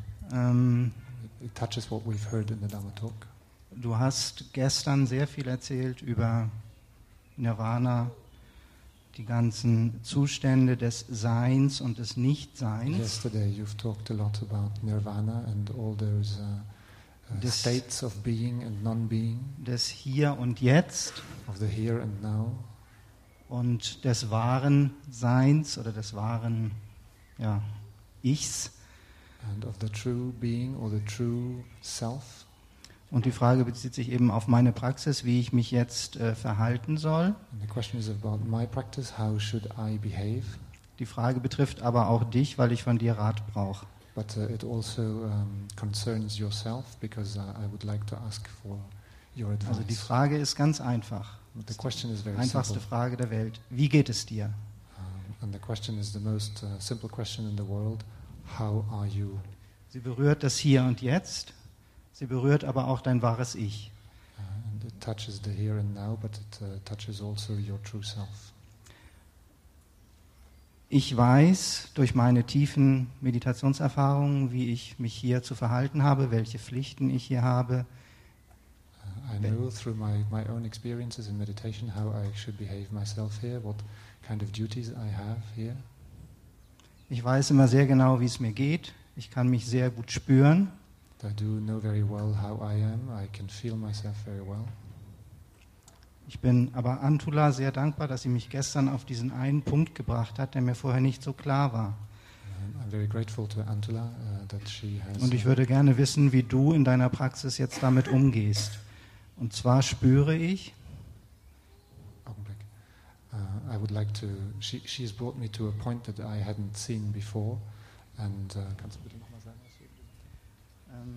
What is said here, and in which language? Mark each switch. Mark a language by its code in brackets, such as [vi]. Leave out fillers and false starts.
[de] Du hast gestern sehr viel erzählt über Nirvana, die ganzen Zustände des Seins und des Nichtseins. [en] Yesterday you've talked a lot about Nirvana and all those des, states of being and non-being, [de] des Hier und Jetzt, [en] of the here and now, [de] und des wahren Seins oder des wahren ja, Ichs. [en] And of the true being or the true self. [de] Und die Frage bezieht sich eben auf meine Praxis, wie ich mich jetzt verhalten soll. [en] And the question is about my practice, how should I behave? [de] Die Frage betrifft aber auch dich, weil ich von dir Rat brauche. [en] But it also concerns yourself because I would like to ask for your advice. [de] Also die Frage ist ganz einfach. [en] But the question is very simple. [de] Einfachste Frage der Welt. Wie geht es dir? [en] And the question is the most simple question in the world. How are you? [de] Sie berührt das Hier und Jetzt. Sie berührt aber auch dein wahres Ich. [en] And it touches the here and now, but it touches also your true self. [de] Ich weiß durch meine tiefen Meditationserfahrungen, wie ich mich hier zu verhalten habe, welche Pflichten ich hier habe. [en] I know through my own experiences in meditation how I should behave myself here, what kind of duties I have here. [de] Ich weiß immer sehr genau, wie es mir geht. Ich kann mich sehr gut spüren. [en] I do know very well how I am. I can feel myself very well. [de] Ich bin aber Antula sehr dankbar, dass sie mich gestern auf diesen einen Punkt gebracht hat, der mir vorher nicht so klar war. [en] I'm very grateful to Antula, that she has. [de] Und ich würde gerne wissen, wie du in deiner Praxis jetzt damit umgehst. Und zwar spüre ich. Augenblick. [en] I would like to. She has brought me to a point that I hadn't seen before. [de] And kannst du bitte nochmal sagen, was du?